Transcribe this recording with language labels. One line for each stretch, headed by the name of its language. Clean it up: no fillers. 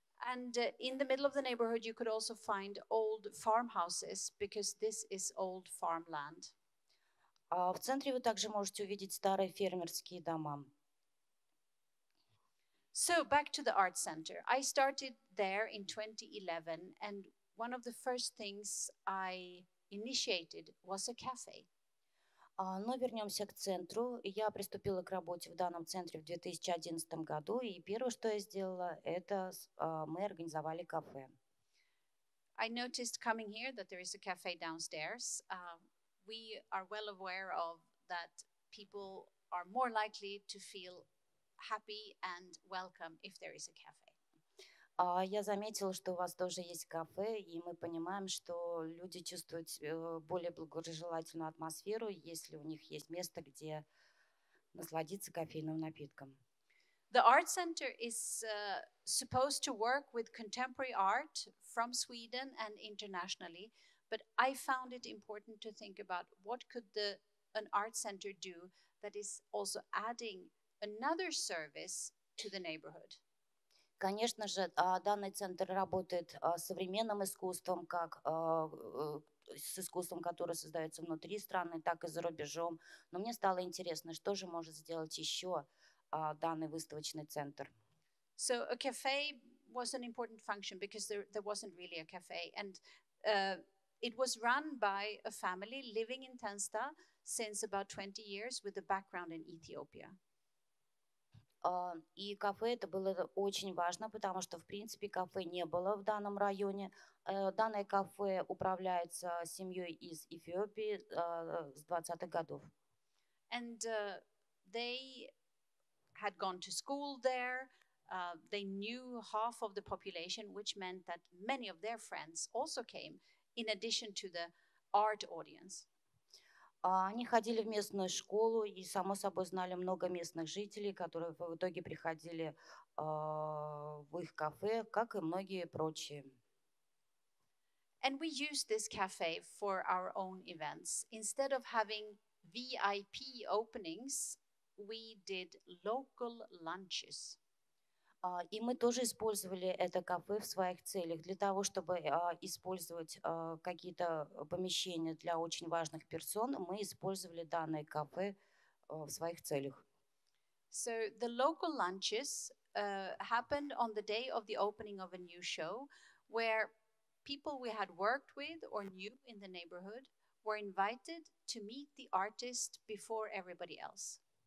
English: And in the middle of the neighborhood, you could also find old farmhouses because this is old farmland.
Russian: В центре вы также можете увидеть старые фермерские дома.
English: So, back to the art center. I started there in 2011, and one of the first things I initiated was a cafe.
Russian: Но вернемся к центру. Я приступила к работе в данном центре в 2011 году, и первое, что я сделала, это мы организовали кафе.
English: I noticed coming here that there is a cafe downstairs. We are well aware of that people are more likely to feel happy and welcome if there is a cafe.
Russian: Я заметила, что у вас тоже есть кафе, и мы понимаем, что люди чувствуют более благожелательную атмосферу, если у них есть место, где насладиться кофейным напитком.
English: The art center is supposed to work with contemporary art from Sweden and internationally. But I found it important to think about what could an art center do that is also adding another service to the neighborhood.
Russian: Конечно же, данный центр работает с современным искусством, как с искусством, которое создается внутри страны, так и за рубежом. Но мне стало интересно, что же может сделать еще данный выставочный центр.
English: So a cafe was an important function because there wasn't really a cafe. And it was run by a family living in Tensta since about 20 years with a background in Ethiopia.
Russian: И кафе это было очень важно, потому что в принципе кафе не было в данном районе. Данное кафе управляется семьёй из Эфиопии с 20-х годов.
English: And they had gone to school there. They knew half of the population, which meant that many of their friends also came. In addition to the art audience,
Russian: они ходили в местную школу и само собой знали много местных жителей, которые в итоге приходили в их кафе, как и многие прочие.
English: And we use this cafe for our own events. Instead of having VIP openings, we did local lunches.
Russian: И мы тоже использовали это кафе в своих целях для того, чтобы использовать какие-то помещения для очень важных персон. Мы использовали данное кафе в своих целях.
English: So the local lunches happened on the day of the opening of a new show, where people we had worked with or knew in the neighborhood were invited to meet the artist before everybody else.